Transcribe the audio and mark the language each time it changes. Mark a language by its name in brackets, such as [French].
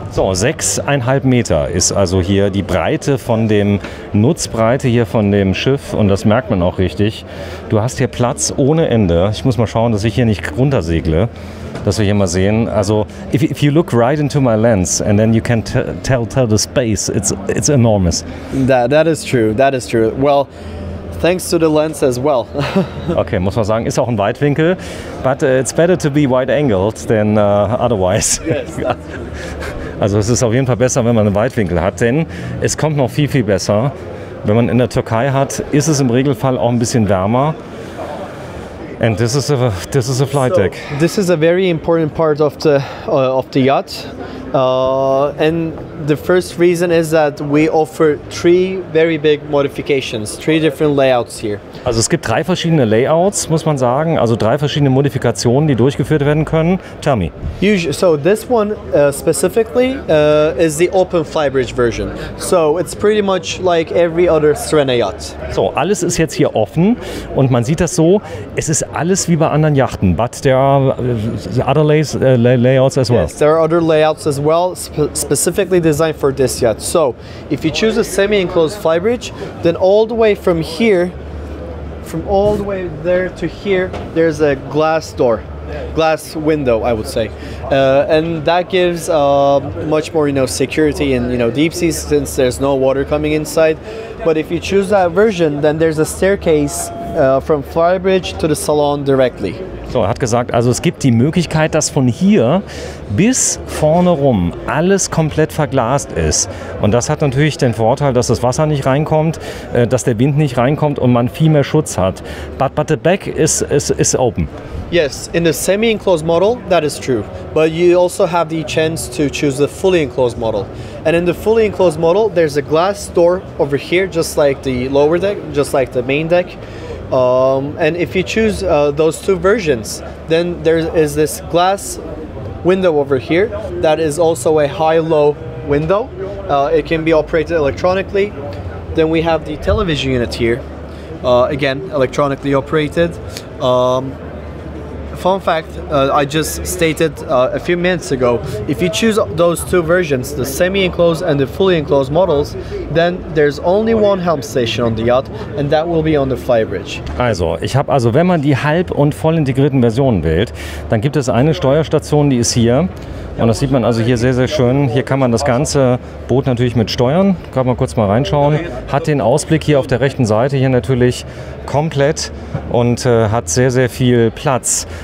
[German] So, 6,5 Meter ist also hier die Breite von dem Nutzbreite hier von dem Schiff und das merkt man auch richtig. Du hast hier Platz ohne Ende. Ich muss mal schauen, dass ich hier nicht runtersegle, dass wir hier mal sehen. [English] Also, if you look right into my lens and then you can tell the space, it's enormous. That is true. Well, thanks to the lens as well. [German] Okay, muss man sagen, ist auch ein Weitwinkel. [English] But it's better to be wide-angled than otherwise. Yes, that's true. [German] Also es ist auf jeden Fall besser, wenn man einen Weitwinkel hat, denn es kommt noch viel, viel besser. Wenn man in der Türkei hat, ist es im Regelfall auch ein bisschen wärmer. [English] And this is a flight deck. So, this is a very important part of the yacht. And the first reason is that we offer three very big modifications, three different layouts here. [German] Also es gibt drei verschiedene Layouts, muss man sagen. Also drei verschiedene Modifikationen, die durchgeführt werden können. [English] Tell me. Usually, so this one specifically is the open flybridge version. So it's pretty much like every other Sirena yacht. [German] So alles ist jetzt hier offen und man sieht das so. Es ist alles wie bei anderen Yachten, [English] but there are other layouts as well. Yes, there are other layouts as well, specifically designed for this yacht. So, if you choose a semi-enclosed flybridge, then all the way from here, from all the way there to here, there's a glass door, glass window, I would say. And that gives much more, you know, security and, you know, deep sea, since there's no water coming inside. But if you choose that version, then there's a staircase from flybridge to the salon directly. [German] So, er hat gesagt, also es gibt die Möglichkeit, dass von hier bis vorne rum alles komplett verglast ist. Und das hat natürlich den Vorteil, dass das Wasser nicht reinkommt, dass der Wind nicht reinkommt und man viel mehr Schutz hat. [English] But the back is open. Yes, in the semi-enclosed model, that is true. But you also have the chance to choose the fully enclosed model. And in the fully enclosed model, there's a glass door over here, just like the lower deck, just like the main deck. And if you choose those two versions, then there is this glass window over here that is also a high-low window. It can be operated electronically. Then we have the television unit here, again, electronically operated. Fun fact, I just stated a few minutes ago, if you choose those two versions, the semi-enclosed and the fully enclosed models, then there's only one helm station on the yacht and that will be on the flybridge. [German] Also, ich habe also, wenn man die halb- und voll integrierten Versionen wählt, dann gibt es eine Steuerstation, die ist hier. Und das sieht man also hier sehr, sehr schön. Hier kann man das ganze Boot natürlich mit steuern. Kann man kurz mal reinschauen. Hat den Ausblick hier auf der rechten Seite hier natürlich komplett und hat sehr, sehr viel Platz.